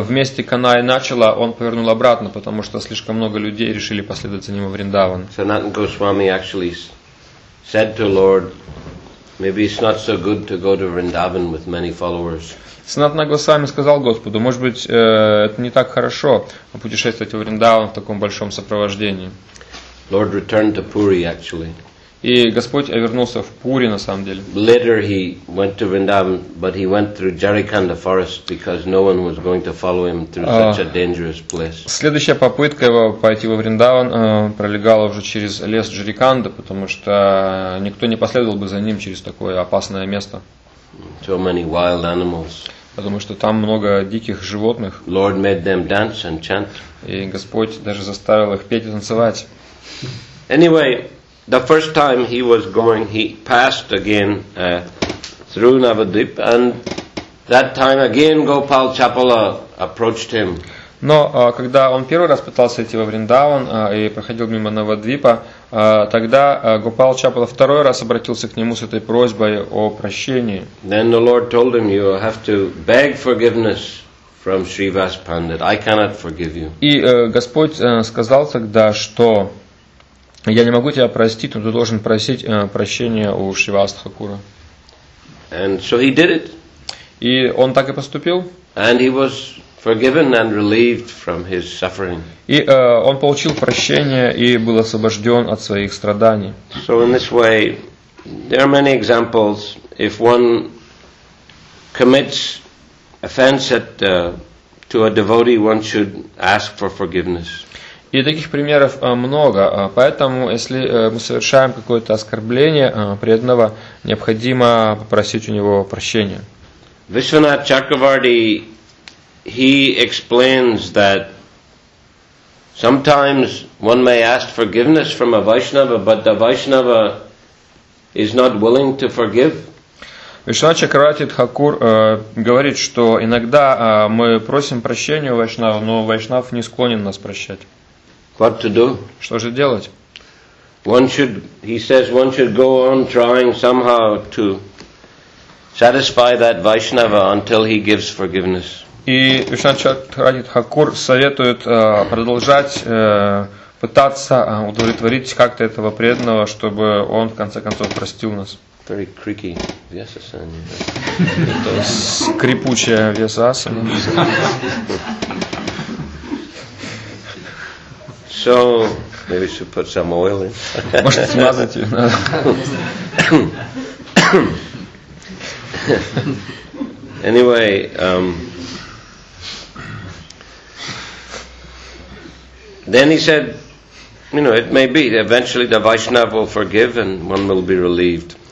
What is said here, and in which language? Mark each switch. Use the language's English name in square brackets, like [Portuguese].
[Russian] Вместе Канай-начала он повернул обратно, потому что слишком много людей решили последовать за ним в Вриндаван. [English] Санатан Госвами actually said to Lord, maybe it's not so good to go to Vrindavan with many followers. [Russian] Санатана Госвами сказал Господу: может быть, это не так хорошо путешествовать в Вриндаван в таком большом сопровождении. [English] Lord returned to Puri actually. [Russian] И Господь вернулся в Пури на самом деле. [English] Later he went to Vrindavan, but he went through Jarikanda forest because no one was going to follow him through such a dangerous place. [Russian] Следующая попытка его пойти во Вриндаван пролегала уже через лес Джариканда, потому что никто не последовал бы за ним через такое опасное место. [English] So many wild animals. [Russian] Потому что там много диких животных. [English] Lord made them dance and chant. [Russian] И Господь даже заставил их петь и танцевать. [English] Anyway, the first time he was going, he passed again through Navadvip, and that time again Gopal Chapala approached him. [Russian] Но когда он первый раз пытался идти во Вриндаван и проходил мимо Навадвипа, тогда Гопал Чапала второй раз обратился к нему с этой просьбой о прощении. [English] Then the Lord told him, you have to beg forgiveness from Srivas Pandit. I cannot forgive you. [Russian] И Господь сказал тогда, что я не могу тебя простить, но ты должен просить прощения у Шривас Тхакура. [English] And so he did it. [Russian] И он так и поступил. [English] And he was forgiven and relieved from his suffering. [Russian] И он получил прощение и был освобожден от своих страданий. [English] So in this way, there are many examples. If one commits offense to a devotee, one should ask for forgiveness. [Russian] И таких примеров много, поэтому если мы совершаем какое-то оскорбление преданного, необходимо попросить у него прощения. [English] Вишванат Чакраварти, he explains that sometimes one may ask forgiveness from a Vaishnava, but the Vaishnava is not willing to forgive. [Russian] Вишванат Чакраварти Тхакур говорит, что иногда мы просим прощения у Вайшнава, но Вайшнав не склонен нас прощать. [English] What to do? [Russian] Что же делать? [English] One should, he says, one should go on trying somehow to satisfy that Vaishnava until he gives forgiveness. [Russian] И Вишванат Чакраварти Тхакур советует продолжать пытаться удовлетворить как-то этого преданного, чтобы он в конце концов простил нас. [English] Very creaky vyasasana. [Russian] Это скрипучая вьясасана. [English] So, maybe we should put some oil in. [Russian] Может, смазать ее надо. [English] Anyway, then he said, you know, it may be eventually the Vaishnava will forgive and one will be relieved.